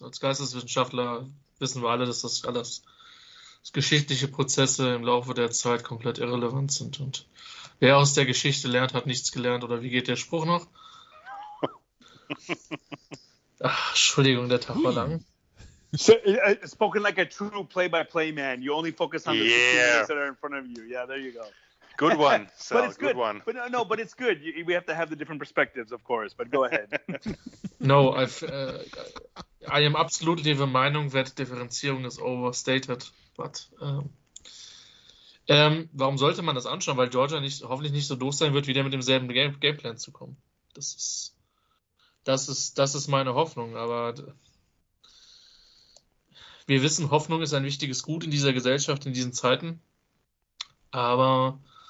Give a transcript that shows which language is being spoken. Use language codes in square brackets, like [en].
[de] Als Geisteswissenschaftler wissen wir alle, dass das alles, dass geschichtliche Prozesse im Laufe der Zeit komplett irrelevant sind. Und wer aus der Geschichte lernt, hat nichts gelernt. Oder wie geht der Spruch noch? Ach, Entschuldigung, der Tag war lang. [en] So, spoken like a true play-by-play man. You only focus on the two things that are in front of you. Yeah, there you go. Good one, Sal. But it's good. Good one. But no, but it's good. We have to have the different perspectives, of course. But go ahead. No, I am absolutely of the Meinung, that Differenzierung is overstated. [de] But, warum sollte man das anschauen? Weil Georgia hoffentlich nicht so doof sein wird, wieder mit demselben Gameplan zu kommen. Das ist meine Hoffnung. Aber wir wissen, Hoffnung ist ein wichtiges Gut in dieser Gesellschaft, in diesen Zeiten. Aber